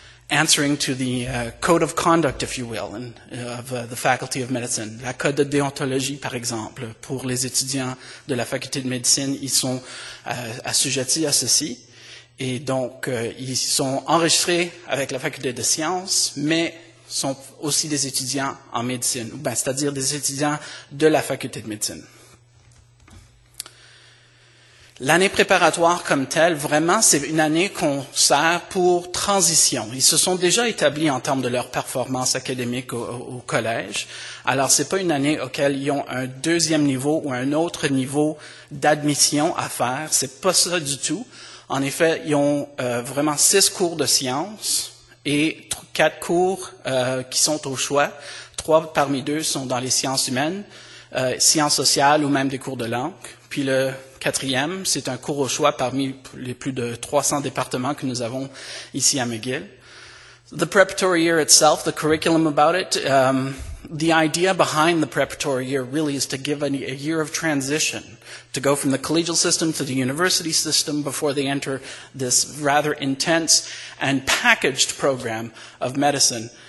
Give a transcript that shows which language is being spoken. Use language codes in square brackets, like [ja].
[en] answering to the code of conduct, if you will, and, of the Faculty of Medicine. [fr] La code de déontologie, par exemple, pour les étudiants de la Faculté de médecine, ils sont assujettis à ceci. Et donc, ils sont enregistrés avec la Faculté de sciences, mais sont aussi des étudiants en médecine, ben, c'est-à-dire des étudiants de la Faculté de médecine. L'année préparatoire comme telle, vraiment, c'est une année qu'on sert pour transition. Ils se sont déjà établis en termes de leur performance académique au collège. Alors, c'est pas une année auquel ils ont un deuxième niveau ou un autre niveau d'admission à faire. C'est pas ça du tout. En effet, ils ont vraiment 6 cours de sciences et 4 cours qui sont au choix. 3 parmi 2 sont dans les sciences humaines, sciences sociales ou même des cours de langue. Puis le 4e, c'est un cours au choix parmi les plus de 300 départements que nous avons ici à McGill. [en] The preparatory year itself, the curriculum about it, the idea behind the preparatory year really is to give a year of transition, to go from the collegial system to the university system before they enter this rather intense and packaged program of medicine.